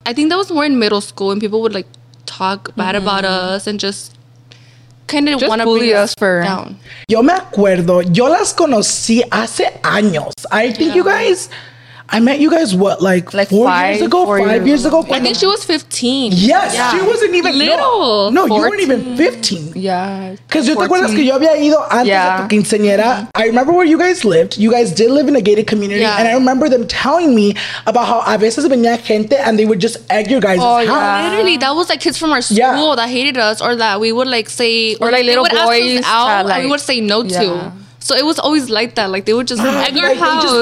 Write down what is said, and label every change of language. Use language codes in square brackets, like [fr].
[en] I think that was more in middle school and people would like talk bad about us and just kind of want to bully us down. [es] Yo me acuerdo. Yo las conocí hace años. [en] I think you guys. I met you guys, what, like 4 years ago? 5 years ago? I think she was 15. Yes, she wasn't even little. No, 14. You weren't even 15. Yeah. [es] Because yo te acuerdas que yo había ido antes a tu quinceañera. [en] I remember where you guys lived. You guys did live in a gated community. Yeah. And I remember them telling me about how [es] a veces venía gente [en] and they would just egg your guys' house. Yeah. Literally, that was like kids from our school that hated us or that we would like say, or like little boys ask us out, that, like, and we would say no to. So it was always like that. Like, they would just egg our house.